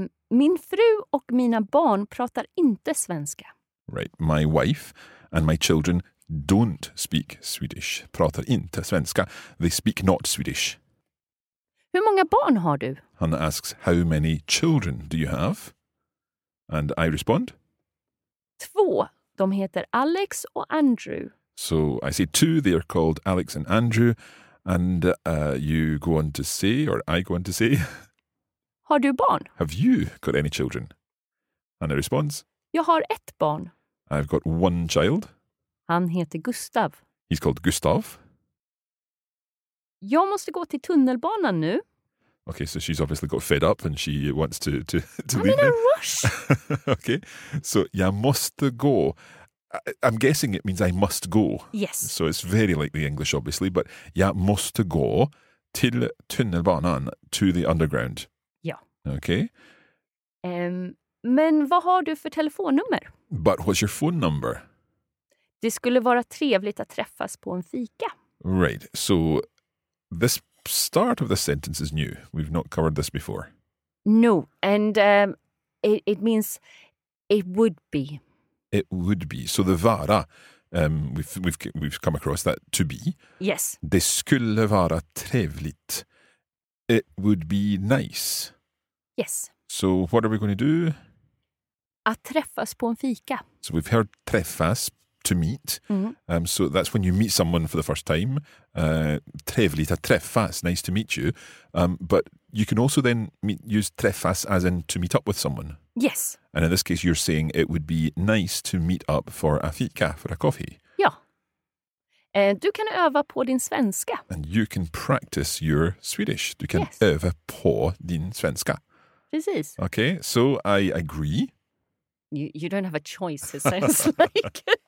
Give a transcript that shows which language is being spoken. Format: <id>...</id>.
<sv>Min fru och mina barn pratar inte svenska.</sv> <en>Right, my wife and my children don't speak Swedish.</en> <sv>Pratar inte svenska.</sv> <en>They speak not Swedish.</en> <sv>Hur många barn har du?</sv> <en>Hanna asks, how many children do you have? And I respond,</en> <sv>två. De heter Alex och Andrew.</sv> <en>So I say two, they are called Alex and Andrew. And you go on to say, or I go on to say,</en> <sv>har du barn?</sv> <en>Have you got any children? Hanna responds,</en> <sv>jag har ett barn.</sv> <en>I've got one child.</en> <sv>Han heter Gustav.</sv> <en>He's called Gustav.</en> <sv>Jag måste gå till tunnelbanan nu.</sv> <en>Okay, so she's obviously got fed up and she wants to I'm leave. I'm in a rush. Okay, so</en> <sv>jag måste gå.</sv> <en>I'm guessing it means I must go. Yes. So it's very like the English, obviously, but</en> <sv>jag måste gå till tunnelbanan,</sv> <en>to the underground. Yeah. Okay.</en> <sv>Men vad har du för telefonnummer?</sv> <en>But what's your phone number?</en> <sv>Det skulle vara trevligt att träffas på en fika.</sv> <en>Right, so this start of the sentence is new. We've not covered this before. No, and it means it would be. It would be. So the vara, we've come across that, to be. Yes.</en> <sv>Det skulle vara trevligt.</sv> <en>It would be nice. Yes. So what are we going to do?</en> <sv>Att träffas på en fika.</sv> <en>So we've heard träffas, to meet. Mm-hmm. So that's when you meet someone for the first time.</en> <sv>Trevligt att träffas,</sv> <en>nice to meet you. But you can also then use träffas as in to meet up with someone. Yes. And in this case, you're saying it would be nice to meet up for a fika, for a coffee.</en> <sv>Ja. Du kan öva på din svenska.</sv> <en>And you can practice your Swedish.</en> <sv>Du kan öva på din svenska. Precis.</sv> <en>Okay, so I agree. You don't have a choice, it sounds like.</en>